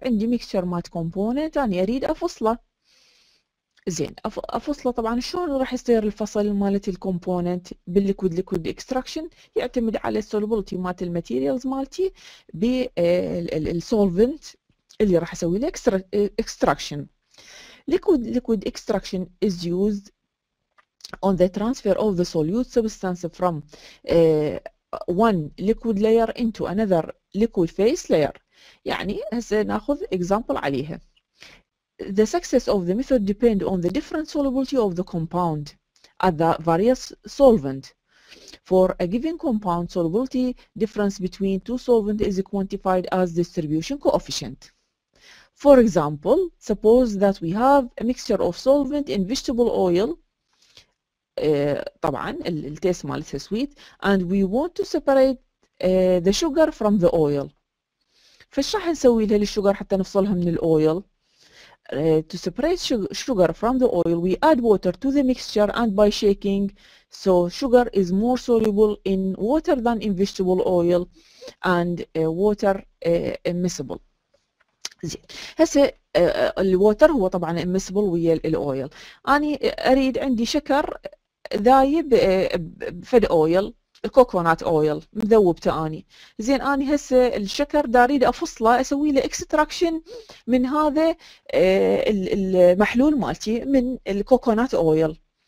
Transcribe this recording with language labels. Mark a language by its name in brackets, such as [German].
[Arabic] عندي ميكستشر مات كومبوننت انا اريد افصله. زين افصله طبعا شلون راح يصير الفصل مالت الكومبوننت بالليكويد ليكويد اكستراكشن؟ يعتمد على السولوبلتي مالت الماتيريالز مالتي بالسولفنت اللي راح اسوي له اكستراكشن. [English] Liquid liquid extraction is use on the transfer of the solute substance from one liquid layer into another liquid phase layer. [Arabic] يعني هسه ناخذ اكزامبل عليها. [English] The success of the method depend on the different solubility of the compound at the various solvent. For a given compound, solubility difference between two solvents is quantified as distribution coefficient. For example, suppose that we have a mixture of solvent in vegetable oil, [Arabic] طبعاً التيست مالتها [English] sweet, and we want to separate the sugar from the oil. [Arabic] فش راح نسوي لها للشوجر حتى نفصلها من الأويل؟ [English] To separate sugar from the oil, we add water to the mixture and by shaking, so sugar is more soluble in water than in vegetable oil and water immiscible. [Arabic] زين هسه الووتر هو طبعا immiscible ويا الاويل. اني اريد عندي شكر ذايب فد اويل الكوكونات اويل مذوبته اني. زين اني هسه الشكر دا اريد افصله اسوي له اكستراكشن من هذا المحلول مالتي من الكوكونات اويل.